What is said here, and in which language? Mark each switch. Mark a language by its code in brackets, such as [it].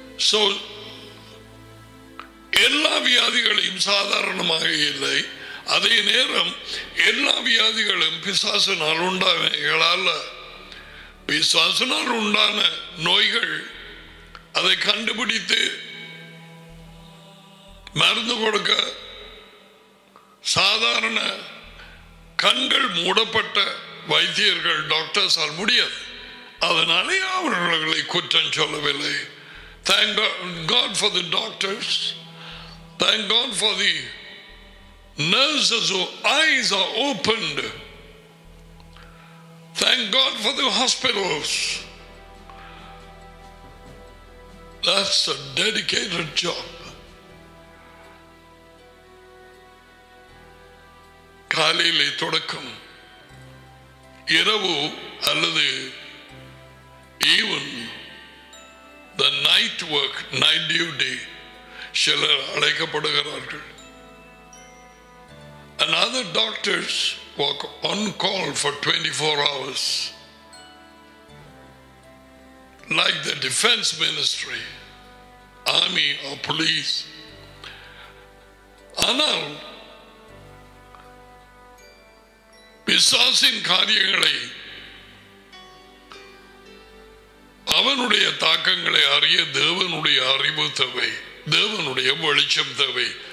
[ta] So எல்லா வியாதிகளையும் சாதாரணமாக இல்லை, அதே நேரம் எல்லா வியாதிகளும் பிசாசுனால் உண்டானவைகளால் பிசாசுனால் உண்டான நோய்கள் அதை கண்டுபிடித்து மருந்து கொடுக்க சாதாரண கண்கள் மூடப்பட்ட வைத்தியர்கள் டாக்டர்ஸால் முடியாது. அதனாலே அவர்களை குற்றம் சொல்லவில்லை. [en] Thank God for the doctors. Thank God for the nurses whose eyes are opened. Thank God for the hospitals. That's a dedicated job. [ta] காலையிலே தொடக்கம், இரவு அல்லது even night work night duty சிலர் அழைக்கப்படுகிறார்கள். [en] And other doctors work on call for 24 hours. Like the defense ministry, army or police. [ta] ஆனால் பிசாசின் காரியங்களை அவனுடைய தாக்கங்களை அறிய தேவனுடைய அறிவு தேவை, தேவனுடைய வெளிச்சம் தேவை.